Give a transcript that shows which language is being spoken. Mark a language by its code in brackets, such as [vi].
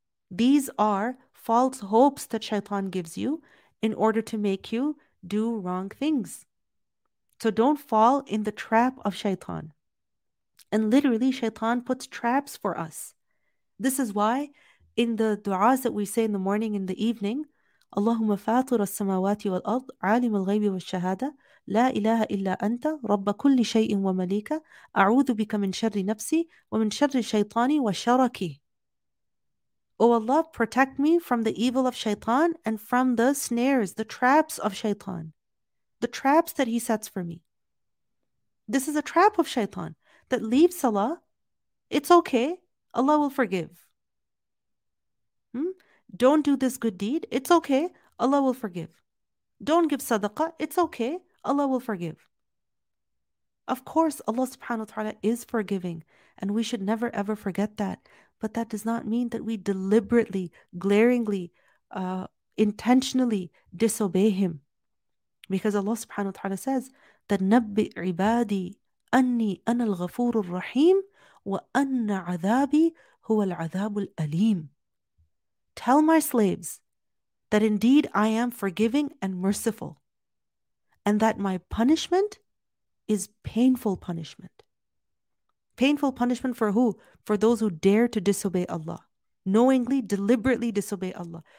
[en] These are false hopes that shaitan gives you in order to make you do wrong things. So don't fall in the trap of shaitan. And literally, shaitan puts traps for us. This is why in the du'as that we say in the morning and the evening, [ar] Allahumma fatir as-samawati wal-ard, alim al-ghaybi wa-shahada, لا إله إلا أنت رب كل شيء ومليك أعوذ بك من شر نفسي ومن شر شيطاني وشركي. [en] Oh Allah, protect me from the evil of shaitan and from the snares, the traps of shaitan, the traps that he sets for me. This is a trap of shaitan that leaves salah. It's okay. Allah will forgive. Don't do this good deed. It's okay. Allah will forgive. Don't give sadaqah. It's okay. Allah will forgive. Of course, Allah subhanahu wa ta'ala is forgiving, and we should never ever forget that. But that does not mean that we deliberately, glaringly, intentionally disobey Him. Because Allah subhanahu wa ta'ala says, [ar] تَنَبِّئْ عِبَادِي أَنِّي أَنَا الْغَفُورُ الرَّحِيمُ وَأَنَّ عَذَابِي هُوَ الْعَذَابُ الْأَلِيمُ. [en] Tell my slaves that indeed I am forgiving and merciful, and that my punishment is painful punishment. Painful punishment for who? For those who dare to disobey Allah, knowingly, deliberately disobey Allah.